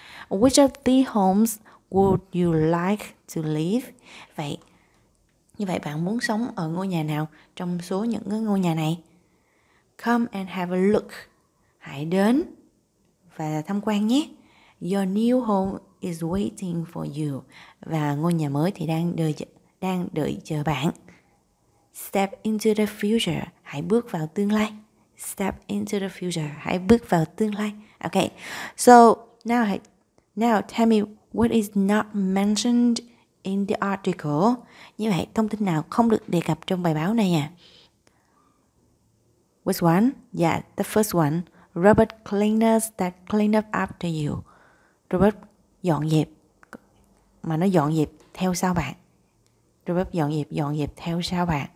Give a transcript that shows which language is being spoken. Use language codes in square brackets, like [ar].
[en] Which of these homes would you like to live? [vi] Như vậy bạn muốn sống ở ngôi nhà nào trong số những ngôi nhà này? [en] Come and have a look. [vi] Hãy đến và tham quan nhé. [en] Your new home is waiting for you. [vi] Và ngôi nhà mới thì đang đợi chờ bạn. [en] Step into the future. [vi] Hãy bước vào tương lai. [en] Step into the future. [vi] Hãy bước vào tương lai. Okay. [en] So now tell me what is not mentioned in the article. [vi] Như vậy, thông tin nào không được đề cập trong bài báo này à? [en] Which one? Yeah, the first one. Robot cleaners that clean up after you. [vi] Robot dọn dẹp. Mà nó dọn dẹp theo sau bạn. Robot dọn dẹp theo sau bạn.